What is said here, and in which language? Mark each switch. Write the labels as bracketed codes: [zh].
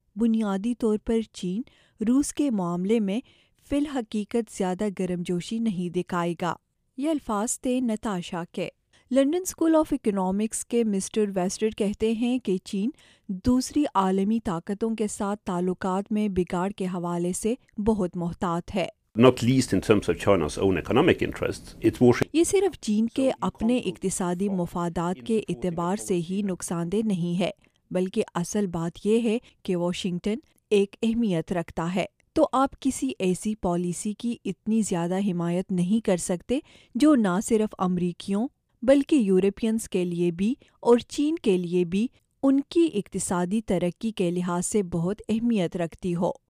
[ur] بنیادی طور پر چین روس کے معاملے میں فی الحقیقت زیادہ گرم جوشی نہیں دکھائے گا. یہ الفاظ تھے نتاشا کے. لنڈن اسکول آف اکنامکس کے مسٹر ویسٹر کہتے ہیں کہ چین دوسری عالمی طاقتوں کے ساتھ تعلقات میں بگاڑ کے حوالے سے بہت محتاط ہے. [en] Not least in terms of China's own economic interests, it's washing. [ur] یہ صرف چین کے اپنے اقتصادی مفادات کے اعتبار سے ہی نقصان دہ نہیں ہے بلکہ اصل بات یہ ہے کہ واشنگٹن ایک اہمیت رکھتا ہے. تو آپ کسی ایسی پالیسی کی اتنی زیادہ حمایت نہیں کر سکتے جو نہ صرف امریکیوں بلکہ یورپینز کے لیے بھی اور چین کے لیے بھی ان کی اقتصادی ترقی کے لحاظ سے بہت اہمیت رکھتی ہو.